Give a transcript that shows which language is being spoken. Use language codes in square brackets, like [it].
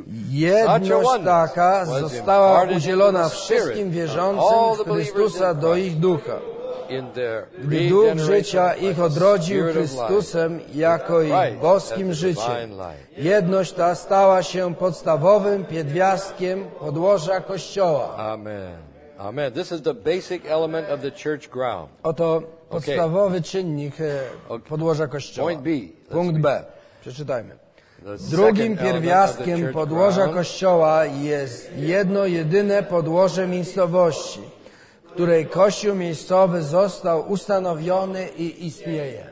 [pl] Jedność taka została udzielona wszystkim wierzącym w Chrystusa do ich ducha, gdy duch życia ich odrodził Chrystusem jako ich boskim życiem. Jedność ta stała się podstawowym pierwiastkiem podłoża Kościoła. Amen. Amen. [en] This is the basic element of the church ground. [pl] Oto podstawowy czynnik podłoża Kościoła. [en] Point B. [pl] Punkt B. Przeczytajmy. Drugim pierwiastkiem podłoża Kościoła jest jedno jedyne podłoże miejscowości, w której Kościół miejscowy został ustanowiony i istnieje.